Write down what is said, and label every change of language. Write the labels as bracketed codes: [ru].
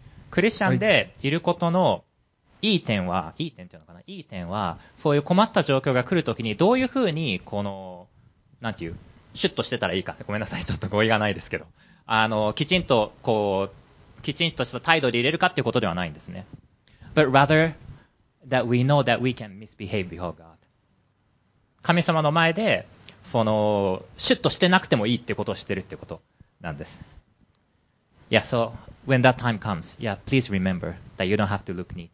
[ja] クリスチャンでいることのいい点は、いい点っていうのかな、いい点はそういう困った状況が来るときにどういうふうにこのなんていう、シュッとしてたらいいか、ごめんなさい、ちょっと語彙がないですけど。きちんとこうきちんとした態度で入れるかっていうことではないんですね。 [en] But rather that we know that we can misbehave before God. [ja] 神様の前でそのシュッとしてなくてもいいってことをしてるってことなんです。 [en] Yeah, so when that time comes, yeah, please remember that you don't have to look neat.